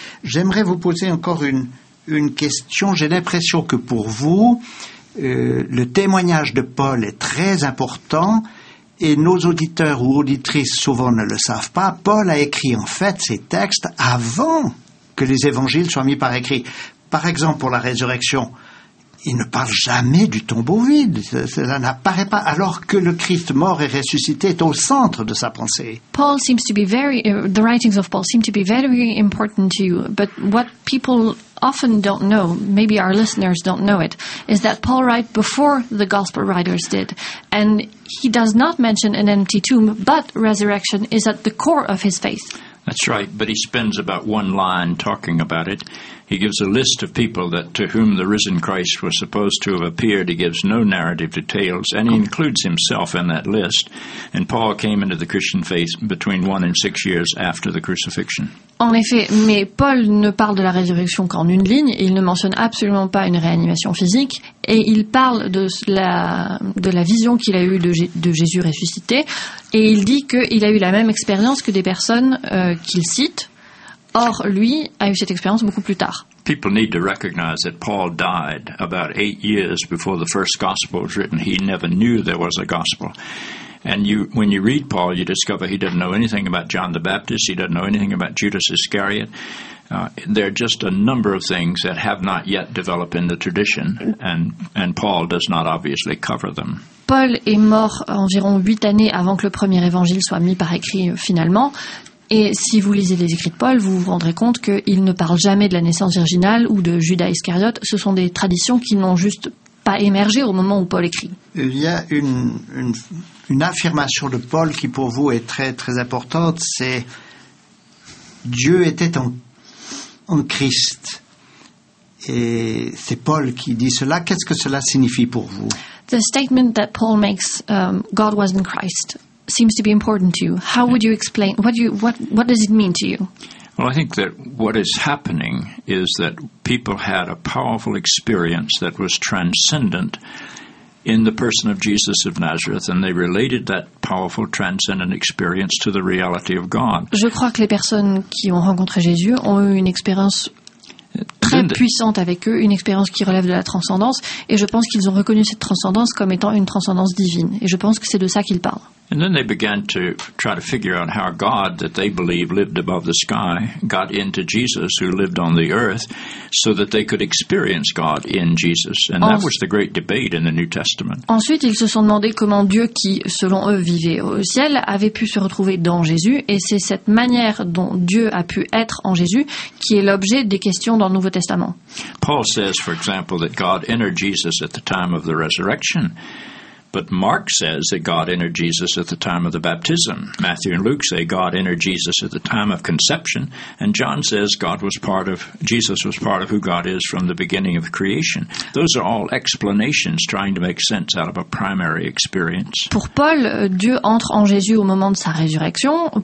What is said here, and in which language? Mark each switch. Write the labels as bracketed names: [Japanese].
[French] J'aimerais vous poser encore une question. J'ai l'impression que pour vous, le témoignage de Paul est très important et nos auditeurs ou auditrices souvent ne le savent pas. Paul a écrit en fait ses textes avant que les évangiles soient mis par écrit. Par exemple, pour la résurrection, il ne parle jamais du tombeau vide. Cela n'apparaît pas, alors que le Christ mort et ressuscité est au centre de sa pensée. [English] Paul seems to be very, the writings of Paul seem to be very important to you, but what people often don't know, maybe our listeners don't know it, is that Paul wrote before the gospel writers did, and he does not mention an empty tomb, but resurrection is at the core of his faith. That's right, but he spends about one line talking about it. He gives a list of people that to whom the risen Christ was supposed to have appeared. He gives no narrative details, and he includes himself in that list. And Paul came into the Christian faith between 1 and 6 years after the crucifixion. [French] En effet, mais Paul ne parle de la résurrection qu'en une ligne. Il ne mentionne absolument pas une réanimation physique. Et il parle de la vision qu'il a eue de Jésus ressuscité. Et il dit qu'il a eu la même expérience que des personnes qu'il cite. Or, lui a eu cette expérience beaucoup plus tard. [English] People need to recognize that Paul died about 8 years before the first gospel was written. He never knew there was a gospel. And you, when you read Paul, you discover he didn't know anything about John the Baptist. He didn't know anything about Judas Iscariot. There are just a number of things that have not yet developed in the tradition, and Paul does not obviously cover them. [French] Paul est mort environ 8 années avant que le premier évangile soit mis par écrit finalement. Et si vous lisez les écrits de Paul, vous vous rendrez compte qu'il ne parle jamais de la naissance virginale ou de Judas Iscariote. Ce sont des traditions qui n'ont juste pas émergé au moment où Paul écrit. Il y a une affirmation de Paul qui pour vous est très très importante, c'est « Dieu était en Christ ». Et c'est Paul qui dit cela. Qu'est-ce que cela signifie pour vous ? [English] The statement that Paul makes, « God was in Christ ». Seems to be important to you. How would you explain? What does it mean to you? Well, I think that what is happening is that people had a powerful experience that was transcendent in the person of Jesus of Nazareth, and they related that powerful transcendent experience to the reality of God. [French] Je crois que les personnes qui ont rencontré Jésus ont eu une expérience très puissante avec eux, une expérience qui relève de la transcendance, et je pense qu'ils ont reconnu cette transcendance comme étant une transcendance divine, et je pense que c'est de ça qu'ils parlent. [English] And then they began to try to figure out how God, that they believe lived above the sky, got into Jesus, who lived on the earth, so that they could experience God in Jesus. And that was the great debate in the New Testament. [French] Ensuite, ils se sont demandé comment Dieu, qui, selon eux, vivait au ciel, avait pu se retrouver dans Jésus. Et c'est cette manière dont Dieu a pu être en Jésus qui est l'objet des questions dans le Nouveau Testament. [English] Paul says, for example, that God entered Jesus at the time of the resurrection. But Mark says that God entered Jesus at the time of the baptism. Matthew and Luke say God entered Jesus at the time of conception. And John says Jesus was part of who God is from the beginning of creation. Those are all explanations trying to make sense out of a primary experience. [French] Pour Paul, Dieu entre en Jésus au moment de sa résurrection.